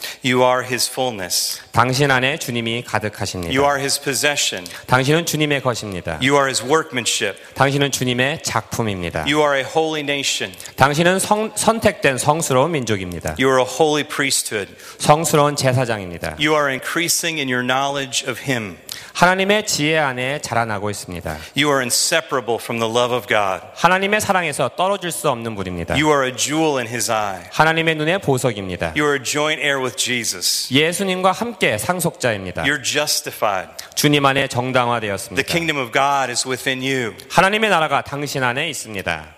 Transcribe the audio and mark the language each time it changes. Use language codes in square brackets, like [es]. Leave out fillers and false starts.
[en] You are His fullness. [ko] 당신 안에 주님이 가득하십니다. [en] You are His possession. [ko] 당신은 주님의 것입니다. [en] You are His workmanship. [ko] 당신은 주님의 작품입니다. [en] You are a holy nation. [ko] 당신은 선택된 성스러운 민족입니다. [en] You are a holy priesthood. [ko] 성스러운 제사장입니다. [en] You are increasing in your knowledge of Him. [ko] 하나님의 지혜 안에 자라나고 있습니다. [en] You are inseparable from the love of God. [ko] 하나님의 사랑에서 떨어질 수 없는 분입니다. [en] You are a jewel in His eye. [ko] 하나님의 눈에 보석입니다. [en] You are a joint heir with Jesus. [ko] 예수님과 함께 함께 상속자입니다. [en] You're justified. [ko] 주님 안에 정당화되었습니다. [en] The kingdom of God is within you. [ko] 하나님의 나라가 당신 안에 있습니다.